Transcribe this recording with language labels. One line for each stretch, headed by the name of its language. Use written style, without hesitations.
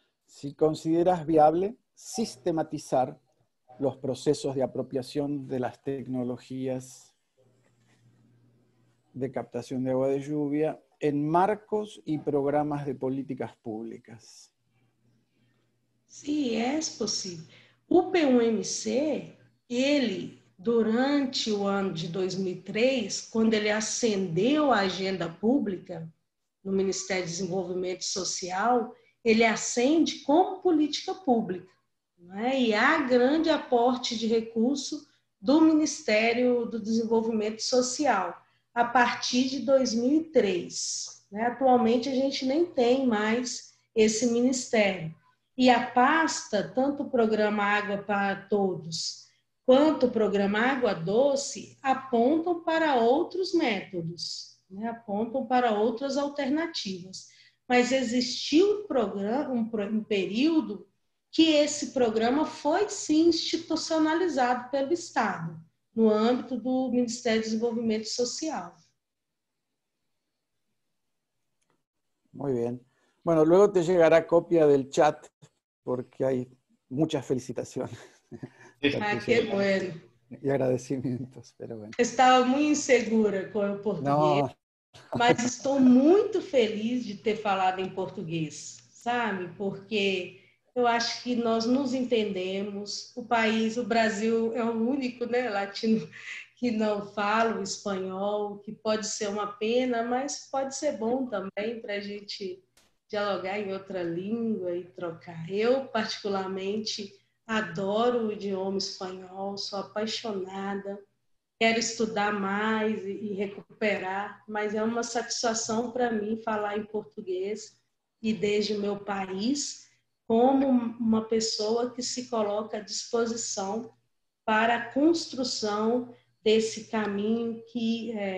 Spanish: Si consideras viable sistematizar los procesos de apropiación de las tecnologías de captación de agua de lluvia en marcos y programas de políticas públicas. Sí, es posible.
Portuguese: O PUMC, ele durante o ano de 2003, quando ele acendeu a agenda pública no Ministério de Desenvolvimento Social, ele acende como política pública, né? E há grande aporte de recurso do Ministério do Desenvolvimento Social a partir de 2003. Né? Atualmente, a gente nem tem mais esse ministério. E a pasta, tanto o Programa Água para Todos quanto o programa Água Doce, apontam para outros métodos, né? Apontam para outras alternativas. Mas existiu um período que esse programa foi, sim, institucionalizado pelo Estado, no âmbito do Ministério do Desenvolvimento Social. Muito bem.
Spanish: Bueno, luego te llegará copia del chat, porque hay muchas felicitaciones. Qué bueno. Y agradecimientos, pero bueno. Estaba muy insegura con el portugués, mas estoy muy feliz de
Portuguese: ter falado
Spanish: en portugués, sabe?
Portuguese: Porque yo acho que nós nos entendemos, o país, o Brasil é o único, né, latino que não fala o espanhol, que pode ser uma pena, mas pode ser bom também para a gente dialogar em outra língua e trocar. Eu, particularmente, adoro o idioma espanhol, sou apaixonada, quero estudar mais e recuperar, mas é uma satisfação para mim falar em português e desde o meu país, como uma pessoa que se coloca à disposição para a construção desse caminho que